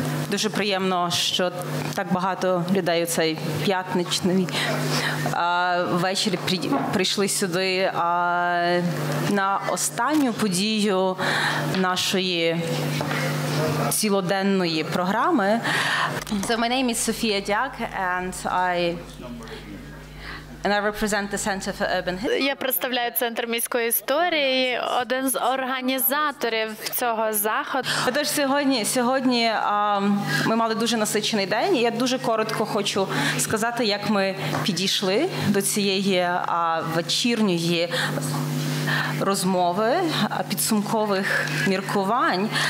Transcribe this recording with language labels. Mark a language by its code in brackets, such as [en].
[uk] Дуже приємно, що так багато людей у цей п'ятничний вечір прийшли сюди на останню подію нашої цілоденної програми. [en] So my name is Sophia Diak and I represent the Center for Urban History. [uk] Я представляю Центр міської історії, один з організаторів цього заходу. Отож, сьогодні ми мали дуже насичений день, і я дуже коротко хочу сказати, як ми підійшли до цієї вечірньої розмови, підсумкових міркувань.